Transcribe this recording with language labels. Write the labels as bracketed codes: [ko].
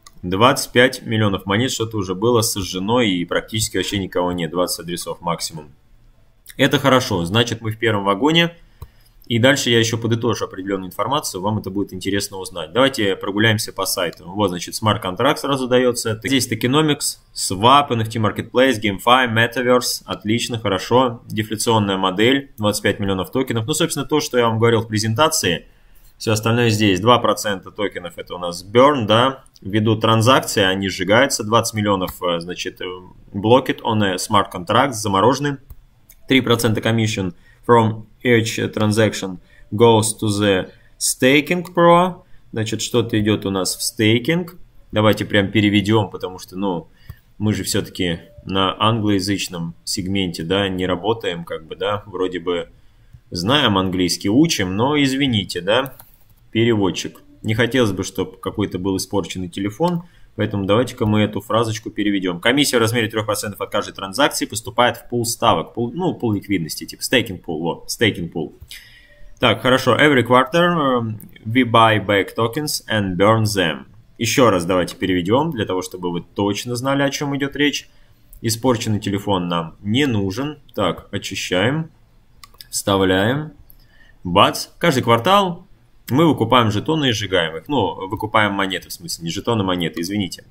[ru] 25 миллионов монет, что-то уже было сожжено и практически вообще никого нет, 20 адресов максимум. Это хорошо, значит, мы в первом вагоне. И дальше я еще подытожу определенную информацию, вам это будет интересно узнать. Давайте прогуляемся по сайту. Вот, значит, смарт-контракт сразу дается. Здесь Tokenomics, Swap, NFT Marketplace, GameFi, Metaverse. Отлично, хорошо. Дефляционная модель, 25 миллионов токенов. Ну, собственно, то, что я вам говорил в презентации. Все остальное здесь. 2% токенов это у нас burn, да, ввиду транзакции, они сжигаются. 20 миллионов, значит, [en] block it on a smart contract, [ru] заморожены. [en] 3% commission from each transaction goes to the staking pro. [ru] Значит, что-то идет у нас в staking. Давайте прям переведем, потому что, ну, мы же все-таки на англоязычном сегменте, да, не работаем, как бы, да, вроде бы знаем английский, учим, но извините, да. Переводчик. Не хотелось бы, чтобы какой-то был испорченный телефон, поэтому давайте-ка мы эту фразочку переведем. Комиссия в размере 3% от каждой транзакции поступает в пул ставок, пул, ну, пул ликвидности, типа staking pool. Вот, staking pool. Так, хорошо. [en] Every quarter we buy back tokens and burn them. [ru] Еще раз давайте переведем, для того, чтобы вы точно знали, о чем идет речь. Испорченный телефон нам не нужен. Так, очищаем. Вставляем. Бац. Каждый квартал мы выкупаем жетоны и сжигаем их. Ну, выкупаем монеты, в смысле, не жетоны, а монеты, извините.